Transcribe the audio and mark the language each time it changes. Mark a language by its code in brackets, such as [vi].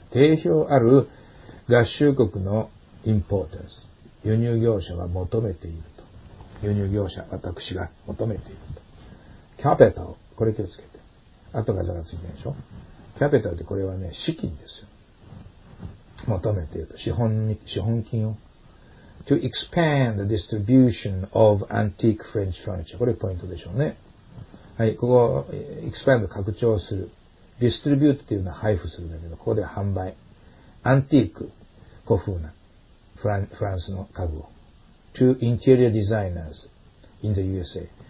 [ja] 定評ある合衆国の Importers。輸入業者は求めていると。輸入業者、私が求めていると。 Capital、これ気をつけて。あとがざらついてるでしょ。キャピタルってこれはね、資金ですよ。求めていると。資本金を。 [en] To expand the distribution of antique French furniture. [ja] これポイントでしょうね。はい、ここ、expand 拡張する。distribute っていうのは配布するんだけど、ここで販売。 antique 古風なフランスの家具を。 [en] To interior designers in the USA.